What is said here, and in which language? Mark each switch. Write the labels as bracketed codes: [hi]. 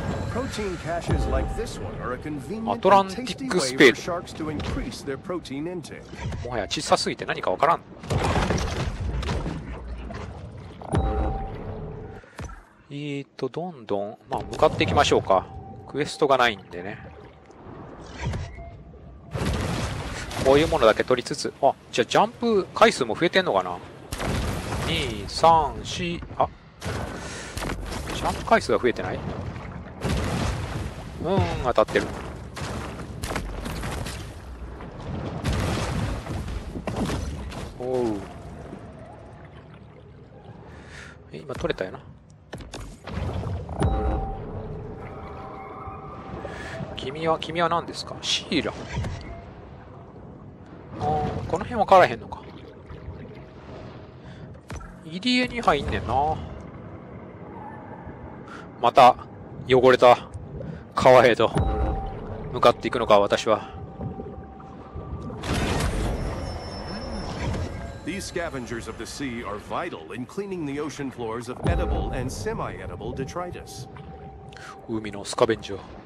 [en] Protein caches like this one are a convenient tasty way for sharks to increase their protein intake. [ja] もはや小さすぎて何かわからん。どんどん、まあ、向かっていきましょうか。クエストがないんでね。こういうものだけ取りつつ、あ、じゃあジャンプ回数も増えてんのかな。 234、あ、ジャンプ回数が増えてない。うーん、当たってる。おう、え、今取れたよな。君は何ですか？シーラ。あー、この辺分からへんのか。入り江に入んねんな。また汚れた川へと向かっていくのか私は。 [en] These scavengers of the sea are vital in cleaning the ocean floors of edible and semi-edible detritus. [ja] 海のスカベンジャー。